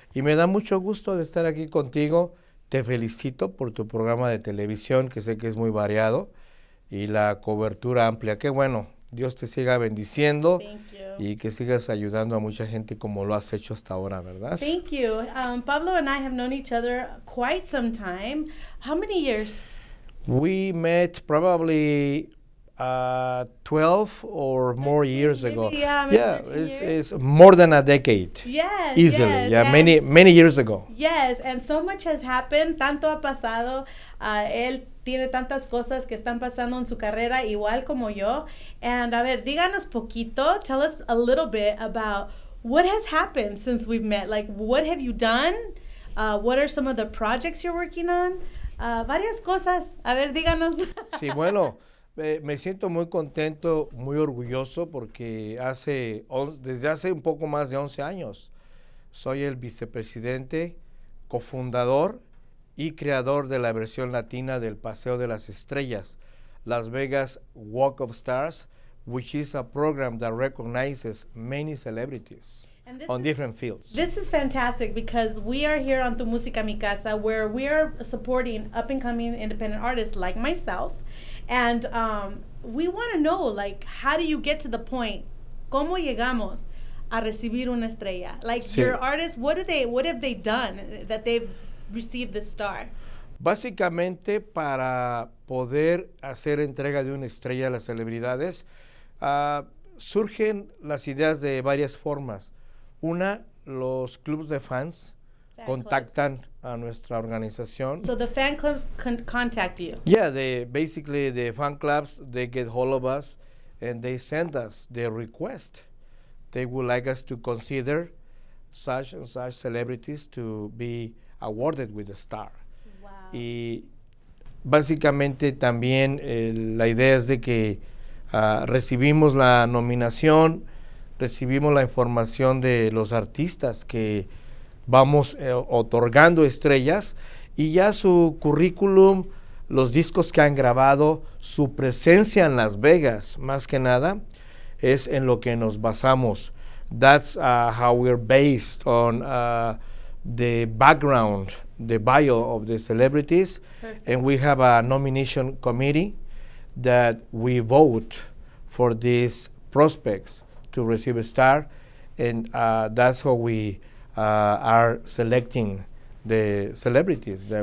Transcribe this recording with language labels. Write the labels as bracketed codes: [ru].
[es] Y me da mucho gusto de estar aquí contigo. Te felicito por tu programa de televisión, que sé que es muy variado, y la cobertura amplia. Qué bueno. Dios te siga bendiciendo y que sigas ayudando a mucha gente como lo has hecho hasta ahora, ¿verdad? [en] Thank you. Pablo and I have known each other quite some time. How many years? We met probably 12 or more 13, years maybe, ago. Yeah, it's more than a decade. Yes. Easily. Yes, yeah, many years ago. Yes, and so much has happened. [es] Tanto ha pasado. Él tiene tantas cosas que están pasando en su carrera, igual como yo. And a ver, díganos poquito. [en] Tell us a little bit about what has happened since we've met. Like, what have you done? What are some of the projects you're working on? [es] Varias cosas. A ver, díganos. Sí, bueno. Me siento muy contento, muy orgulloso, porque desde hace un poco más de 11 años soy el vicepresidente, cofundador y creador de la versión latina del Paseo de las Estrellas, Las Vegas Walk of Stars, [en] which is a program that recognizes many celebrities on different fields. This is fantastic because we are here on Tu Música Mi Casa, where we are supporting up-and-coming independent artists like myself. And we want to know, like, how do you get to the point? [es] ¿Cómo llegamos a recibir una estrella? [en] Like, sí. Your artists, what have they done that they've received the star? [es] Básicamente, para poder hacer entrega de una estrella a las celebridades, surgen las ideas de varias formas. Una, los clubs de fans contactan a nuestra organización. [en] So the fan clubs contact you. Yeah, basically the fan clubs, they get hold of us and they send us their request. They would like us to consider such and such celebrities to be awarded with a star. Wow. [es] Y básicamente también la idea es de que recibimos la nominación, recibimos la información de los artistas que vamos otorgando estrellas y ya su currículum, los discos que han grabado, su presencia en Las Vegas, más que nada, es en lo que nos basamos. [en] That's how we're based on the background, the bio of the celebrities. Perfect. And we have a nomination committee that we vote for these prospects to receive a star, and that's how we are selecting the celebrities that